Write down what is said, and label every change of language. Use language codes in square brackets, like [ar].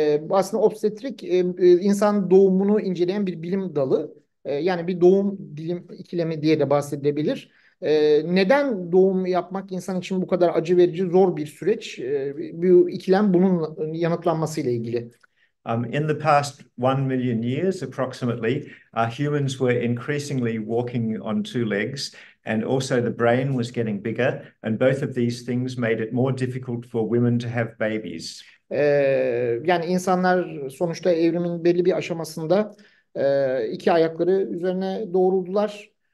[tr] Aslında obstetrik insan doğumunu inceleyen bir bilim dalı. Yani bir doğum dilim ikilemi diye de bahsedilebilir. Neden doğum yapmak insan için bu kadar acı verici, zor bir süreç? Bu ikilem bunun yanıtlanması ile ilgili. [en] In the past 1 million years, approximately, humans were increasingly walking on two legs, and also the brain was getting bigger, and both of these things made it more difficult for women to have babies. [tr] Yani insanlar sonuçta evrimin belli bir aşamasında iki ayakları üzerine doğruldular.